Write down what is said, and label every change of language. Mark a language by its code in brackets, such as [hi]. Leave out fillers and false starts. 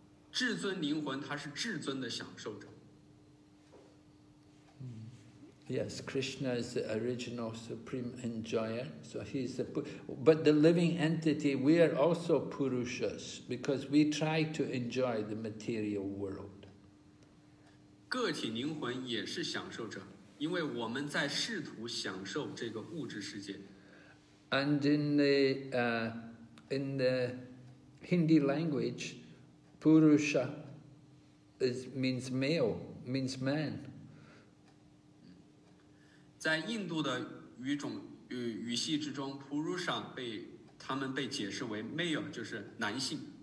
[zh] 至尊灵魂它是至尊的享受者。 [en] Yes, Krishna is the original supreme enjoyer, so he is but the living entity, we are also Purushas, because we try to enjoy the material world. [zh] 个体灵魂也是享受者，因为我们在试图享受这个物质世界。 [en] And in the Hindi language, Purusha means male, means man. [zh] 在印度的语系之中 ，Purusha 被解释为 male， 就是男性。